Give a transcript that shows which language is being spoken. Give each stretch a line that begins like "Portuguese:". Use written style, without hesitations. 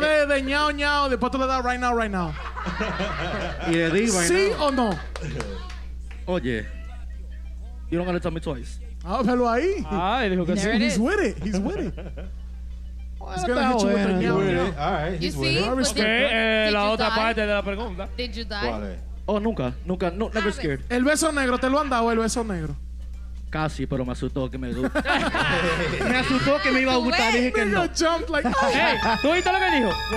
Spanish: Después de ñao ñao, después tú le das
English: right now.
Spanish: Y le di
English: right now.
Spanish: ¿Sí o no?
English: Oye, you don't got to tell me twice.
Spanish: Ah, pero ahí. Ah, él dijo que sí.
English: He's with it. He's going to hit you with the ñao ñao. All right, he's with it. I respect
Spanish: la otra parte de la pregunta.
English: Did you die?
Spanish: Oh, nunca. Nunca. No,
English: never scared.
Spanish: El beso negro, ¿te lo han dado el beso negro? Casi, pero me asustó que me gustó. Me asustó que me iba a gustar y dije que no.
English: Jumped like,
Spanish: oh. Hey, ¿tú viste lo que dijo?